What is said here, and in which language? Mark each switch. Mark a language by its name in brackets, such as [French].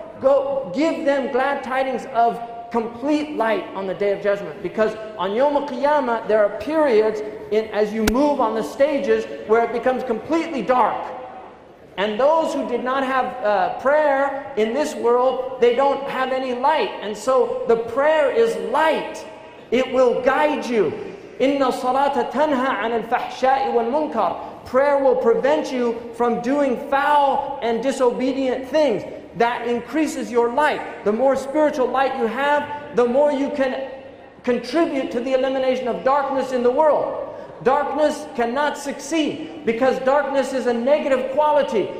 [English] Go give them glad tidings of complete light on the Day of Judgment. Because on Yawm al-Qiyamah, there are periods in as you move on the stages where it becomes completely dark. And those who did not have prayer in this world, they don't have any light. And so the prayer is light. It will guide you. [Arabic] إِنَّ الصَّلَاةَ تَنْهَى عَنِ الْفَحْشَاءِ وَالْمُنْكَرِ. [English] Prayer will prevent you from doing foul and disobedient things. That increases your light. The more spiritual light you have, the more you can contribute to the elimination of darkness in the world. Darkness cannot succeed because darkness is a negative quality.